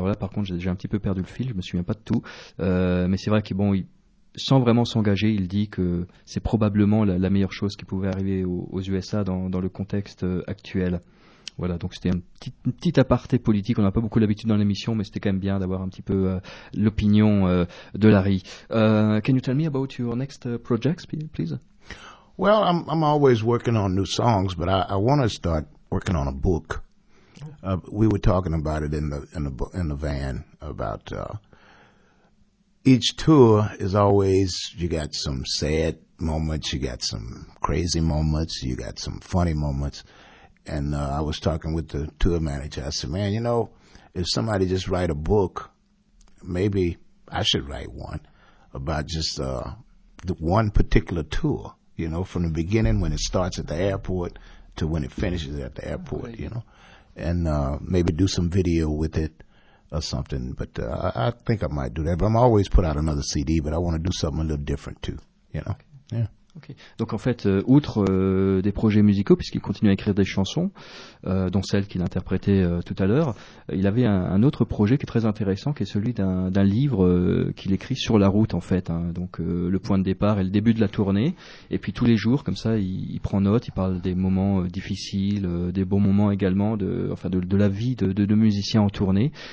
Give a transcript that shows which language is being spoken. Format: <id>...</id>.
<fr>Alors là par contre j'ai un petit peu perdu le fil, je me souviens pas de tout, mais c'est vrai que bon, sans vraiment s'engager, il dit que c'est probablement la meilleure chose qui pouvait arriver aux USA dans le contexte actuel. Voilà, donc c'était une petite aparté politique. On n'a pas beaucoup l'habitude dans l'émission, mais c'était quand même bien d'avoir un petit peu l'opinion de Larry.</fr> <en>Can you tell me about your next projects, please? Well, I'm always working on new songs, but I want to start working on a book. We were talking about it in the van about each tour is always, you got some sad moments, you got some crazy moments, you got some funny moments. And I was talking with the tour manager. I said, man, you know, if somebody just write a book, maybe I should write one about just the one particular tour. You know, from the beginning when it starts at the airport to when it finishes at the airport, right. You know, and maybe do some video with it or something. But I think I might do that. But I'm always put out another CD, but I want to do something a little different too, you know. Okay. Yeah. Okay.</en> <fr>Donc en fait, outre des projets musicaux, puisqu'il continue à écrire des chansons, dont celle qu'il interprétait tout à l'heure, il avait un autre projet qui est très intéressant, qui est celui d'un livre qu'il écrit sur la route en fait. Hein. Donc le point de départ et le début de la tournée. Et puis tous les jours, comme ça, il prend note, il parle des moments difficiles, des bons moments également, de la vie de musicien en tournée.</fr>